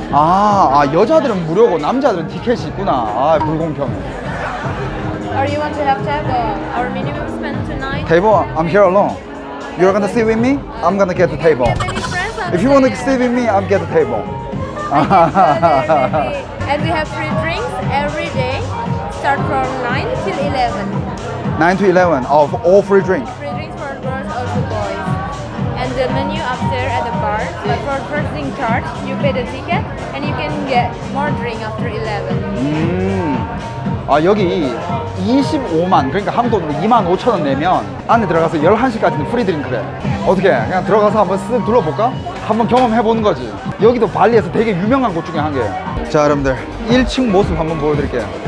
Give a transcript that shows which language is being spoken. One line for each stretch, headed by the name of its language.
Korean: 아, 아 여자들은 무료고 남자들은 티켓이 있구나. 아, 불공평.
English: Or you want to have table? Or minimum spend tonight? Table? I'm here alone. You're gonna sit with me? I'm gonna get the table. If you wanna sit with me, I'm get the table. And we have free drinks every day. Start from 9 till 11. 9 to 11 of all free drinks. Free drinks for girls or for boys. And the menu up there at the bar, but for first drink charge, you pay the ticket and you can get more drink after 11.
Korean: 아 여기 25만 그러니까 한국 돈으로 2만 5천 원 내면 안에 들어가서 11시까지는 프리 드링크래. 어떻게 그냥 들어가서 한번 쓱 둘러볼까? 한번 경험해 보는 거지. 여기도 발리에서 되게 유명한 곳 중에 한 개. 자 여러분들 1층 모습 한번 보여드릴게요.